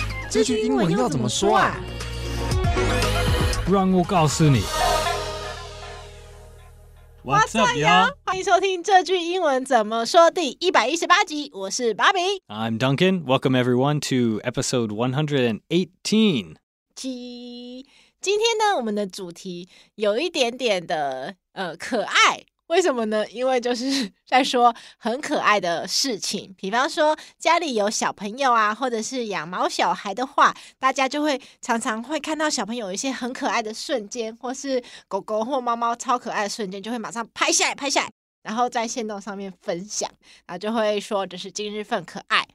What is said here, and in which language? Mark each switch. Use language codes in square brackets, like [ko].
[zh] 这句英文要怎么说啊？让我告诉你。 [en] What's up, y'all? [zh] 欢迎收听这句英文怎么说第118集，我是 Bobby. [en] I'm Duncan. Welcome everyone to episode 118. [zh] 今天呢，我们的主题有一点点的可爱。为什么呢？因为就是在说很可爱的事情，比方说家里有小朋友啊，或者是养猫小孩的话，大家就会常常会看到小朋友一些很可爱的瞬间，或是狗狗或猫猫超可爱的瞬间，就会马上拍下来拍下来，然后在限动上面分享，然后就会说这是今日份可爱。